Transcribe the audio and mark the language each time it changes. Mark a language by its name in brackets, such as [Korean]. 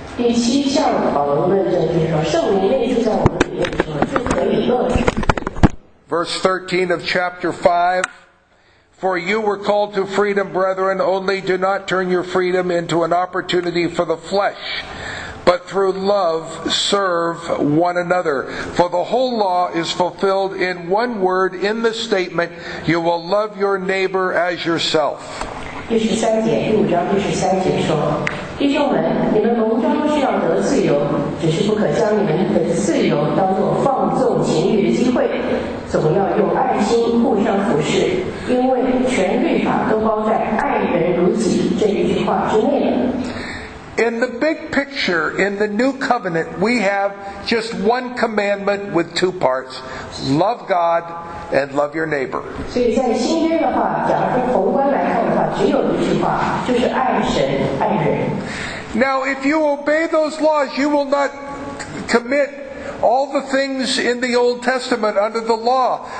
[English] Verse 13 of chapter 5, for you were called to freedom, brethren, only do not turn your freedom into an opportunity for the flesh, but through love serve one another. For the whole law is fulfilled in one word in the statement, you will love your neighbor as yourself. [Chinese] 第五章第十三节说，弟兄们，你们蒙召需要得自由，只是不可将你们的自由当作放纵情欲的机会，总要用爱心互相服侍，因为全律法都包在爱人如己这一句话之内了。 [English] In the big picture, in the new covenant, we have just one commandment with two parts. Love God and love your neighbor. Now, if you obey those laws, you will not commit all the things in the Old Testament under the law.